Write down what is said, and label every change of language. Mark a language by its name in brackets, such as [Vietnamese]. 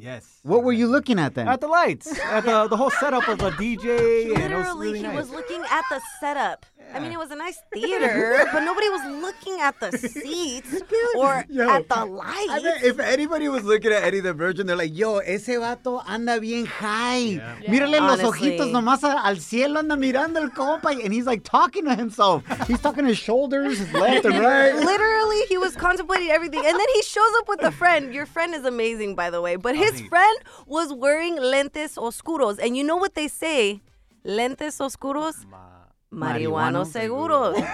[English] Yes. What were you looking at then? At the lights. At the whole setup of the DJ. Literally, he was looking at the setup. I mean, it was a nice theater, but nobody was looking at the seats or at the lights. I mean, if anybody was looking at Eddie the Virgin, they're like, yo, [Spanish] ese vato anda bien high. [English] Yeah. Yeah. [Spanish] Mírale los ojitos nomás al cielo anda mirando el compa. [English] And he's like talking to himself. He's talking his shoulders, his left and right. Literally, he was contemplating everything. And then he shows up with a friend. Your friend is amazing, by the way. But his friend was wearing [Spanish] lentes oscuros. [English] And you know what they say? [Spanish] Lentes oscuros? Marihuana seguro.